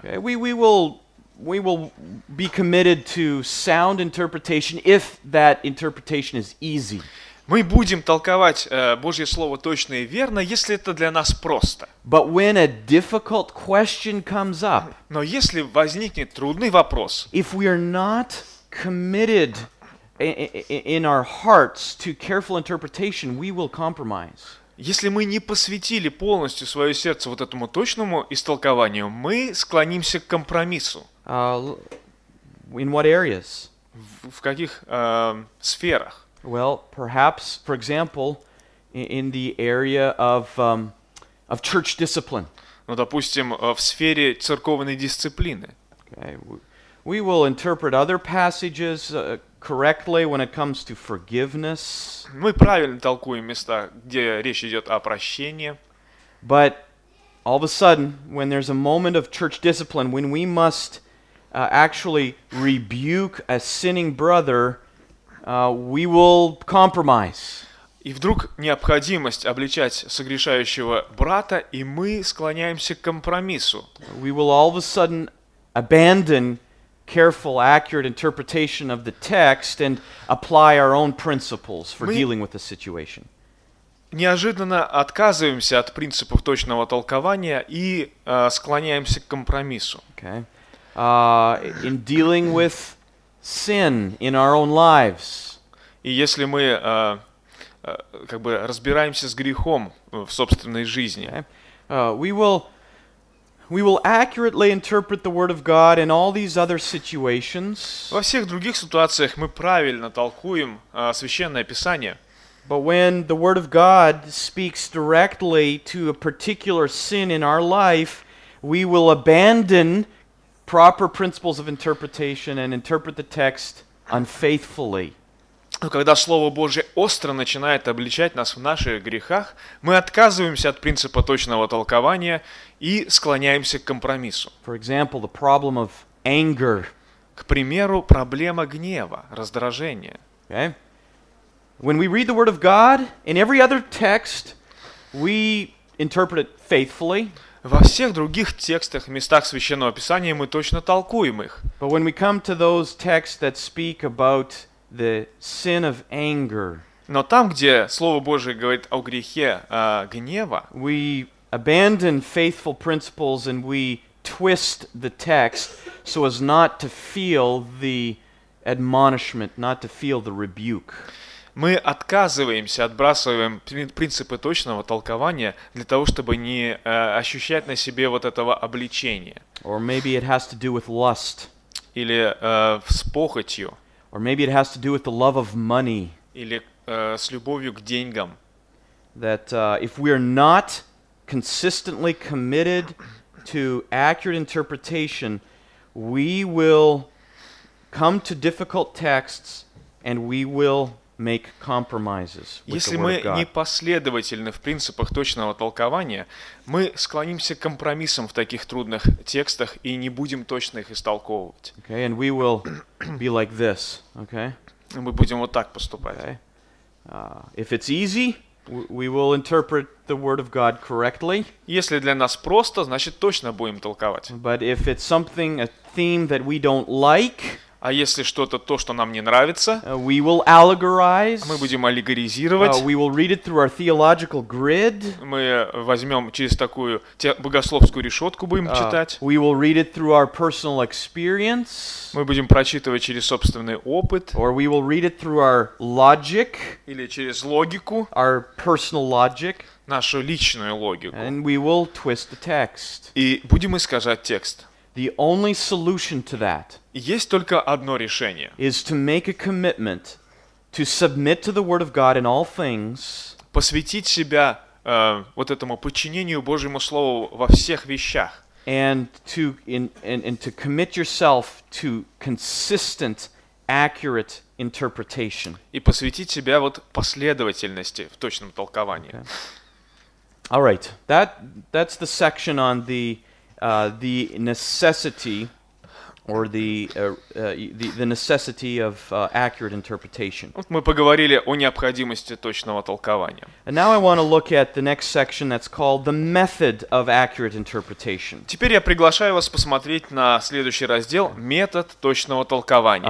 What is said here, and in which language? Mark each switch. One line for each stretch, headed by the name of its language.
English: Okay, we will be committed to sound interpretation if that interpretation is easy.
Russian: Мы будем толковать Божье слово точно и верно, если это для нас просто.
English: But when a difficult question comes up,
Russian: но если возникнет трудный вопрос,
English: if we are not committed in our hearts to careful interpretation, we will compromise.
Russian: Если мы не посвятили полностью свое сердце вот этому точному истолкованию, мы склонимся к компромиссу.
English: In what areas?
Russian: В каких сферах?
English: Well, perhaps, for example, in the area of church discipline.
Russian: Ну, допустим, в сфере церковной дисциплины.
English: Okay. We will interpret other passages correctly when it comes to forgiveness.
Russian: Мы правильно толкуем места, где речь идет о прощении.
English: But all of a sudden, when there's a moment of church discipline, when we must actually rebuke a sinning brother, we will compromise.
Russian: И вдруг необходимость обличать согрешающего брата, и мы склоняемся к компромиссу.
English: We will all of a sudden abandon careful, accurate interpretation of the text and apply our own principles for dealing with the situation.
Russian: Неожиданно отказываемся от принципов точного толкования и склоняемся к компромиссу.
English: Okay. In dealing with sin in our own lives.
Russian: И если мы как бы разбираемся с грехом в собственной жизни.
English: Okay. We will We will accurately interpret the word of God in all these other situations.
Russian: Во всех других ситуациях мы правильно толкуем Священное Писание.
English: But when the word of God speaks directly to a particular sin in our life, we will abandon proper principles of interpretation and interpret the text unfaithfully.
Russian: Но когда Слово Божие остро начинает обличать нас в наших грехах, мы отказываемся от принципа точного толкования и склоняемся к компромиссу.
English: For example, the problem of anger.
Russian: К примеру, проблема гнева, раздражения.
English: Okay. When we read the Word of God, in every other text, we interpret it faithfully.
Russian: Во всех других текстах, местах Священного Писания, мы точно толкуем их.
English: But when we come to those texts that speak about the sin of anger.
Russian: Но там, где Слово Божие говорит о грехе гнева,
English: we abandon faithful principles and we twist the text so as not to feel the admonishment, not to feel the rebuke.
Russian: Мы отказываемся, отбрасываем принципы точного толкования для того, чтобы не ощущать на себе вот этого обличения.
English: Or maybe it has to do with lust.
Russian: Или с похотью.
English: Or maybe it has to do with the love of money.
Russian: Или с любовью к деньгам.
English: That if we are not consistently committed to accurate interpretation, we will come to difficult texts and we will make compromises with
Russian: Если
English: the word of God.
Russian: Если мы непоследовательны в принципах точного толкования, мы склонимся к компромиссам в таких трудных текстах и не будем точно их истолковывать.
English: Okay, and we will be like this. Okay.
Russian: Мы будем вот так поступать.
English: Okay. If it's easy, we will interpret the word of God correctly.
Russian: Если для нас просто, значит точно будем толковать.
English: But if it's something, a theme that we don't like.
Russian: А если что-то то, что нам не нравится,
English: we will allegorize,
Russian: мы будем аллегоризировать,
English: we will read it through our theological grid,
Russian: мы возьмем через такую богословскую решетку, будем читать,
English: we will read it through our personal experience,
Russian: мы будем прочитывать через собственный опыт,
English: or we will read it through our logic,
Russian: или через логику,
English: our personal logic,
Russian: нашу личную логику,
English: and we will twist the text.
Russian: И будем искажать текст.
English: The only solution to that
Russian: есть только одно решение.
English: Is to make a commitment to submit to the word of God in all things.
Russian: Посвятить себя вот этому подчинению Божьему слову во всех вещах.
English: And to and to commit yourself to consistent accurate interpretation.
Russian: И посвятить себя вот последовательности в точном толковании.
English: Okay. All right. That's the section on the necessity or the necessity of accurate interpretation.
Russian: Вот мы поговорили о необходимости точного толкования.
English: And now I want to look at the next section that's called the method of accurate interpretation.
Russian: Теперь я приглашаю вас посмотреть на следующий раздел метод точного толкования.